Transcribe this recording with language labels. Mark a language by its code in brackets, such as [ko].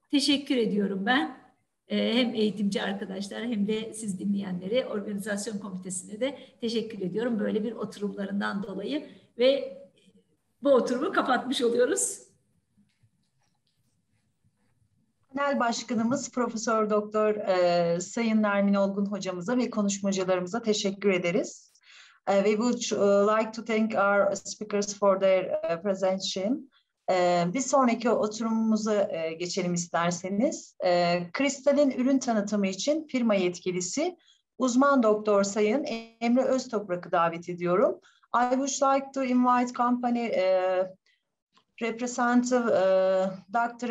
[tr] Teşekkür ediyorum ben. Hem eğitimci arkadaşlar hem de siz dinleyenlere, organizasyon komitesine de teşekkür ediyorum. Böyle bir oturumlarından dolayı ve bu oturumu kapatmış oluyoruz. Panel başkanımız Profesör Doktor Sayın Nermin Olgun hocamıza ve konuşmacılarımıza teşekkür ederiz. [en] We would like to thank our speakers for their presentation. [tr] Bir sonraki oturumumuza geçelim isterseniz. Kristal'in ürün tanıtımı için firma yetkilisi, uzman doktor sayın Emre Öztoprak'ı davet ediyorum. [en] I would like to invite company representative Dr.